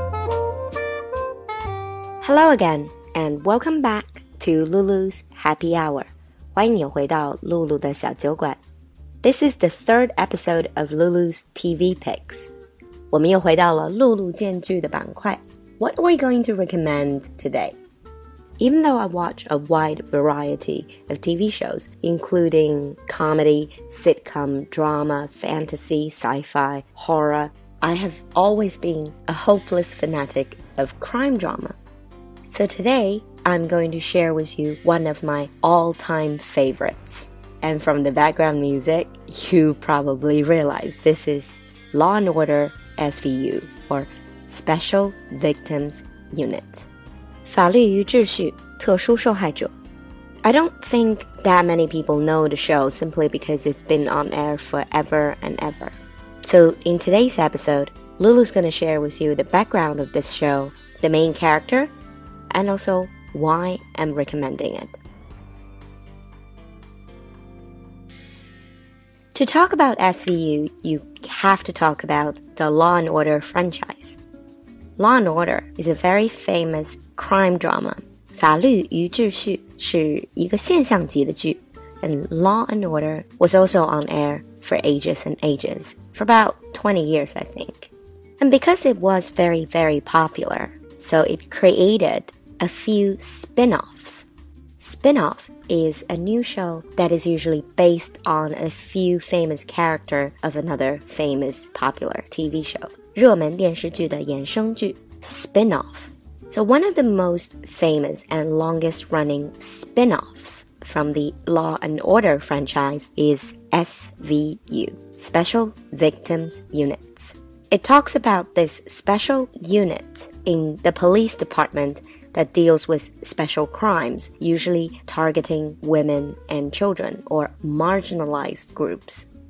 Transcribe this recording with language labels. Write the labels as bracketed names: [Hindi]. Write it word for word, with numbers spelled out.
[English] Hello again, and welcome back to Lulu's Happy Hour. [Chinese] 欢迎你回到露露的小酒馆。 [English] This is the third episode of Lulu's T V Picks. [Chinese] 我们又回到了露露荐剧的板块。 [English] What are we going to recommend today? Even though I watch a wide variety of T V shows, including comedy, sitcom, drama, fantasy, sci-fi, horror, I have always been a hopeless fanatic of crime drama. So today, I'm going to share with you one of my all-time favorites. And from the background music, you probably realize this is Law and Order S V U, or Special Victims Unit. [Chinese] 法律与秩序，特殊受害者。 [English] I don't think that many people know the show simply because it's been on air forever and ever. So in today's episode, Lulu's gonna share with you the background of this show, the main character, and also why I'm recommending it. To talk about S V U, you have to talk about the Law and Order franchise. Law and Order is a very famous crime drama. [Chinese] 法律与秩序是一个现象级的剧, [English] and Law and Order was also on air for ages and ages, for about twenty years, I think. And because it was very, very popular, so it created a few spin-offs. Spin-off is a new show that is usually based on a few famous character of another famous popular T V show. [Chinese] 热门电视剧的衍生剧 spin-off. [English] So one of the most famous and longest running spin-offs from the Law and Order franchise is S V U, Special Victims Units. It talks about this special unit in the police department that deals with special crimes, usually targeting women and children or marginalized groups.